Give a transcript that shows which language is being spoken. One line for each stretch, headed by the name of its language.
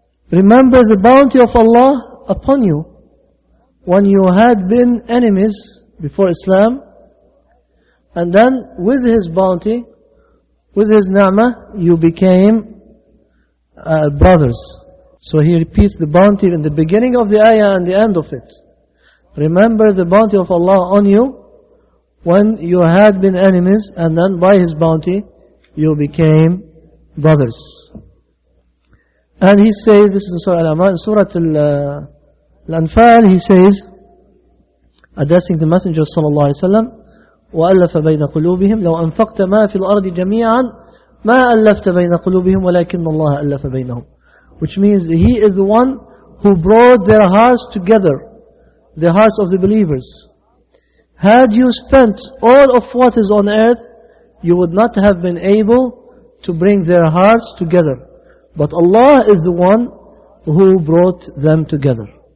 English: Remember the bounty of Allah upon you when you had been enemies before Islam, and then with His bounty, with His ni'mah, you became brothers. So He repeats the bounty in the beginning of the ayah and the end of it. Remember the bounty of Allah on you when you had been enemies, and then by His bounty you became brothers. And He says, this is Surah Al-Imran, Surah Al-Anfal, He says, addressing the Messenger
Arabic: صلى الله عليه وسلم, وَأَلَّفَ بَيْنَ قُلُوبِهِمْ لَوْ أَنْفَقْتَ مَا فِي الْأَرْضِ جَمِيعًا مَا أَلَّفْتَ بَيْنَ قُلُوبِهِمْ وَلَكِنَّ اللَّهَ أَلَّفَ بَيْنَهُمْ.
English: Which means, He is the one who brought their hearts together, the hearts of the believers. Had you spent all of what is on earth, you would not have been able to bring their hearts together. But Allah is the one who brought them together.